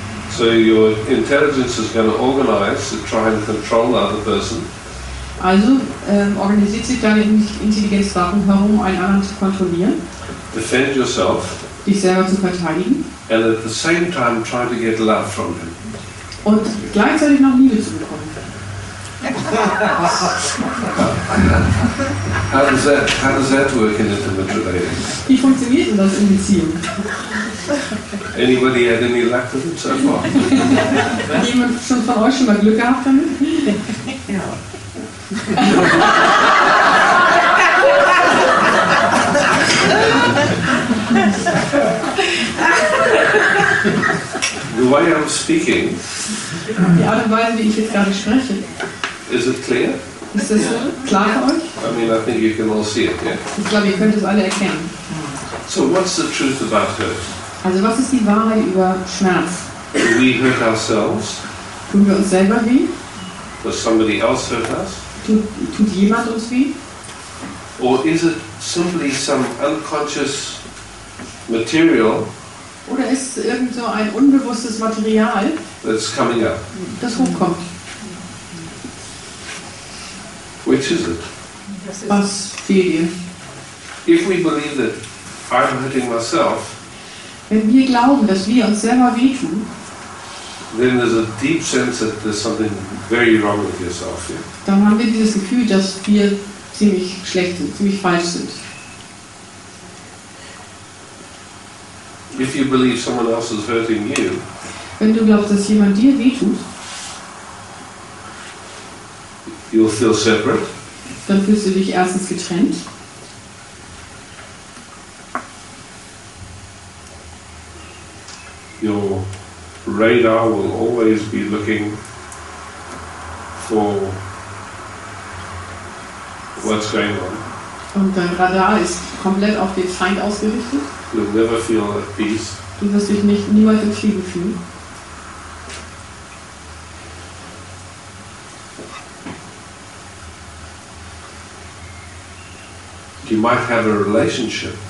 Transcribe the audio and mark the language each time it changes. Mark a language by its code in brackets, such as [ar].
[en] So your intelligence is going to organize to try and control the other person. [de] Also organisiert sich deine Intelligenz darum herum, einen anderen zu kontrollieren. [en] Defend yourself. [de] Dich selber zu verteidigen. [en] And at the same time try to get love from him. [de] Und gleichzeitig noch Liebe zu bekommen. [en] How does that work in intimate relations? [de] Wie funktioniert denn das in Beziehung? [en] Anybody had any luck with it so far? [de] Hat jemand schon von euch schon mal Glück gehabt damit? Ja. [en] The way I'm speaking. [de] Die Art und Weise, wie ich jetzt gerade spreche. [en] Is it clear? [de] Ist das so klar für euch? [en] I mean, I think you can all see it. Yeah. [de] Ich glaube, ihr könnt es alle erkennen. [en] So, what's the truth about hurt? [de] Also, was ist die Wahrheit über Schmerz? [en] Do we hurt ourselves? [de] Tun wir uns selber weh? [en] Does somebody else hurt us? [de] Tut jemand uns weh? [en] Or is it simply some unconscious material? [de] Oder ist es irgend so ein unbewusstes Material, [en] that's coming up. [de] Das hochkommt? [en] Which is it? [de] Was fehlt dir? [en] If we believe that I'm hurting myself, [de] wenn wir glauben, dass wir uns selber wehtun, [en] then there's a deep sense that there's something very wrong with yourself. Yeah? [de] Dann haben wir dieses Gefühl, dass wir ziemlich schlecht sind, ziemlich falsch sind. [en] If you believe someone else is hurting you, [de] wenn du glaubst, dass jemand dir wehtut, [en] you'll feel separate. [de] Dann fühlst du dich erstens getrennt. [en] Your radar will always be looking for what's going on. [de] Und dein Radar ist komplett auf den Feind ausgerichtet. [en] You'll never feel at peace. [de] Du wirst dich nicht niemals in Frieden fühlen. [en] You might have a relationship.